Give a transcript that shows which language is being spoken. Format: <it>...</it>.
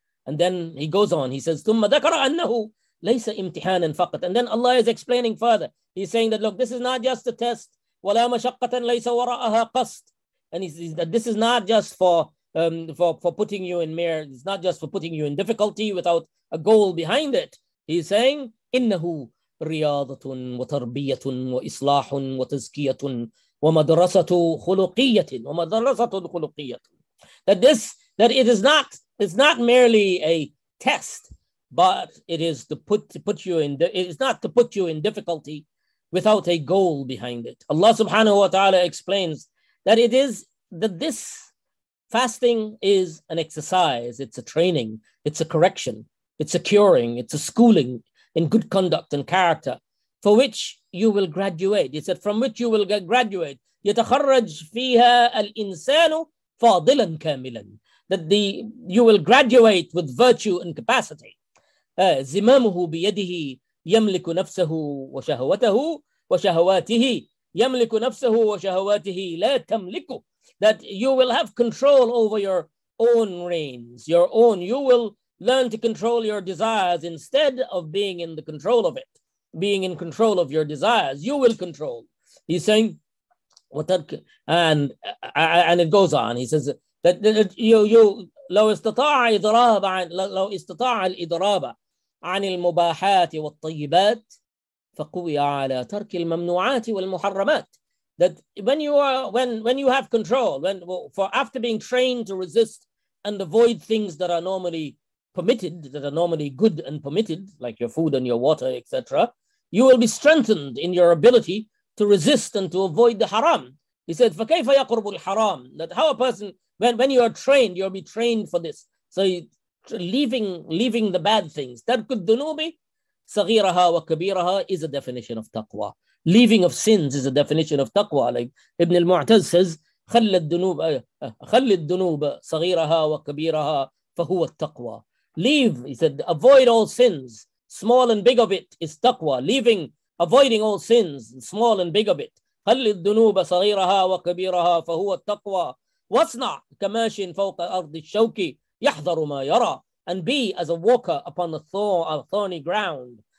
<en>And then he goes on, he says,</en> <ar>ثُمَّ ذَكَرَ أَنَّهُ لَيْسَ إِمْتِحَانًا فَقَطْ,</ar> <en>and then Allah is explaining further. He's saying that, look, this is not just a test.</en> <ar>وَلَا مَشَقَّةً لَيْسَ وَرَأَهَا قَصْد,</ar> <en>and he says that this is not just for putting you in mirror, it's not just for putting you in difficulty without a goal behind it. He's saying,</en> <ar>إِنَّهُ رياضة وتربية وإصلاح وتزكية ومدرسة خلقية ومدرسة خلقية.</ar> <en>That this, that it is not, it's not merely a test, but it is to put you in, it is not to put you in difficulty without a goal behind it. Allah subhanahu wa ta'ala explains that it is, that this fasting is an exercise, it's a training, it's a correction, it's a curing, it's a schooling in good conduct and character, for which you will graduate. He said, from which you will graduate.</en> <ar>يتخرج فيها الإنسان فاضلا كاملا.</ar> <en>That you will graduate with virtue and capacity.</en> <ar>زمامه بيده يملك نفسه وشهوته وشهواته يملك نفسه وشهواته لا تملكه.</ar> <en>That you will have control over your own reins, your own, you will learn to control your desires instead of being in the control of it, being in control of your desires. You will control. He's saying, and it goes on. He says that you</en> <ar>لو استطاع إضراب عن لو استطاع الإضراب عن المباحات والطيبات فقوي على ترك الممنوعات والمحرمات.</ar> <en>That when you have control, after being trained to resist and avoid things that are normally permitted, that are normally good and permitted, like your food and your water, etc., you will be strengthened in your ability to resist and to avoid the haram. He said,</en> <ar>فَكَيْفَ يَقْرُبُ الْحَرَامِ,</ar> <en>that how a person, when you are trained, you'll be trained for this. So leaving the bad things.</en> <ar>تَرْكُ الدُّنُوبِ صَغِيرَهَا وَكَبِيرَهَا</ar> <en>is a definition of taqwa. Leaving of sins is a definition of taqwa. Like Ibn al-Mu'taz says,</en> <ar>خَلِّ الدُّنُوبَ صَغِيرَهَا وَكَبِيرَهَا فَهُوَ التَّقْوَى.</ar> <en>Leave, he said, avoid all sins, small and big of it is taqwa. Leaving, avoiding all sins, small and big of it.</en> <ar>خَلِّ الدُّنُوبَ صَغِيرَهَا وَكَبِيرَهَا فَهُوَ التَّقْوَى. وَصْنَعْ كَمَاشٍ فَوْقَ أَرْضِ الشَّوْكِ يَحْذَرُ مَا يَرَى.</ar> <en>And be as a walker upon a thorny ground.</en>